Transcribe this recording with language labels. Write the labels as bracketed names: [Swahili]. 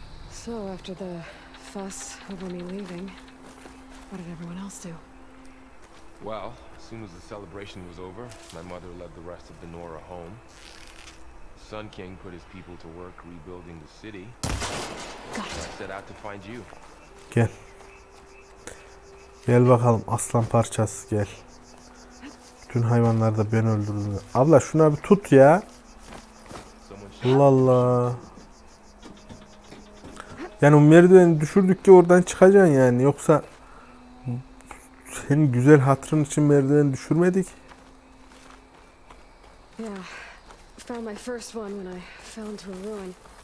[English] So after the fuss over me leaving, what did everyone else do? Well, as soon as the celebration was over, my mother led the rest of the Nora home. The Sun King put his people to work rebuilding the city. Got it. I set out to find you. [Turkish] Gel. Gel bakalım aslan parçası gel. Bütün hayvanlar da ben öldürdüm. Abla şuna bir tut ya. Allah Allah. Yani o merdiveni düşürdük ki oradan çıkacaksın yani. Yoksa senin güzel hatırın için merdiveni düşürmedik. [English] Yeah. Found my first one when I fell into a ruin.